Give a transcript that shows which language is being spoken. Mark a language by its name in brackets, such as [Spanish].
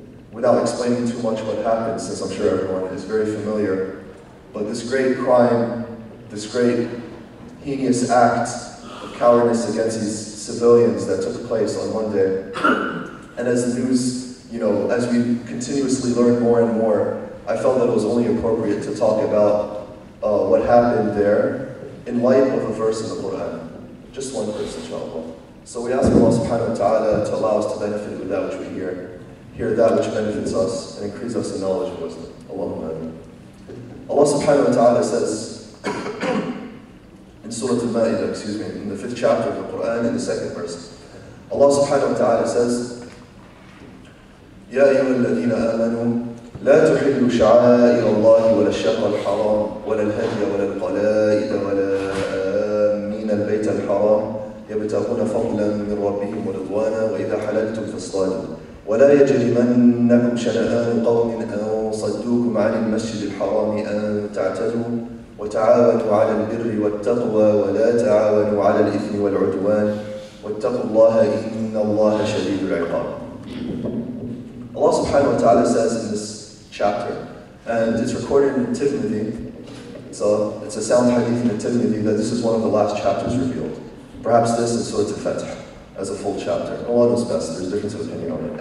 [English] Without explaining too much what happened, since I'm sure everyone is very familiar, but this great crime, this great heinous act of cowardice against these civilians that took place on Monday, and as the news, you know, as we continuously learn more and more, I felt that it was only appropriate to talk about what happened there in light of a verse in the Quran. Just one verse, inshallah. So we ask Allah subhanahu wa ta'ala to allow us to benefit with that which we hear. Hear that which benefits us and increase us in knowledge of wisdom. Allahumma ameen. Allah subhanahu wa ta'ala says in Surah Al-Ma'idah, excuse me, in the fifth chapter of the Quran, in the second verse, Allah subhanahu wa ta'ala says, [Arabic] يَا أَيُّهَا الَّذِينَ آمَنُوا لَا تُحِلُّوا شَعَائِرَ اللَّهِ وَلَا الشَّهْرَ الْحَرَامِ وَلَا الْهَدْيَ وَلَا الْقَلَائِدَ وَلَا آمِّينَ الْبَيْتَ الْحَرَامِ يَبْتَغُونَ فَضْلًا مِنْ رَبِّهِمْ وَرِضْوَانًا وَإِذَا حَلَلْتُمْ فَاصْطَادُوا وَلَا يَجْرِمَنَّكُمْ شَنَآنُ قَوْمٍ أَن صَدُّوكُمْ عَنِ الْمَسْجِدِ الْحَرَامِ أَن تَعْتَدُوا وَتَعَاوَنُوا عَلَى الْبِرِّ وَالتَّقْوَى وَلَا تَعَاوَنُوا عَلَى الْإِثْمِ وَالْعُدْوَانِ وَاتَّقُوا اللَّهَ إِنَّ اللَّهَ شَدِيدُ الْعِقَابِ. [English] Allah subhanahu wa ta'ala says in this chapter, and it's recorded in Tirmidhi, it's a sound hadith in Tirmidhi, that this is one of the last chapters revealed. Perhaps this is Surah Al-Fatih as a full chapter. Allah knows best, there's a difference of opinion on it.